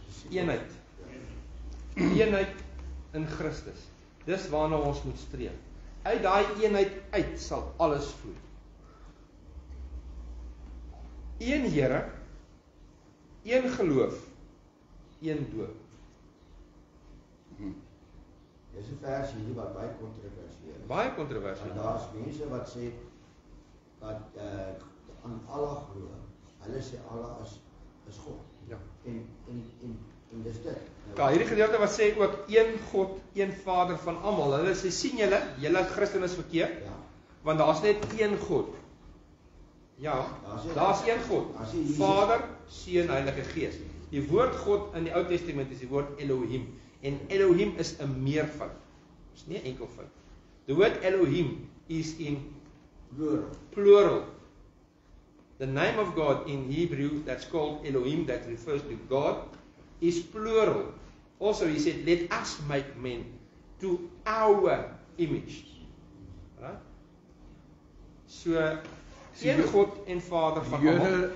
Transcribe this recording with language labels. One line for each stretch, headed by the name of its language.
Afrikaans: Eenheid. Eenheid in Christus. Dis waarna ons moet streef. uit daai eenheid uit sal alles vloei. Een Here, een geloof, een doop. Dis 'n vers hier wat baie kontroversieel is. Baie kontroversieel. Want daar is mense wat sê dat aan Allah glo. Hulle sê Allah is God. Ja. En dis dit. Ja, hierdie gedeelte wat sê ook een God, een Vader van almal. Hulle sê sien julle, julle Christen is verkeerd. Ja. Want daar is net een God. Ja, daar is een God. Vader, Seun, Heilige Gees. Die woord God in die Ou Testament is die woord Elohim. En Elohim is 'n meervoud. Is nie 'n enkelvoud.
English: The word Elohim is in plural. The name of God in Hebrew that's called Elohim, that refers to God, is plural. Also he said, let us make men to our image. Right?
Afrikaans: So, een God en Vader van almal.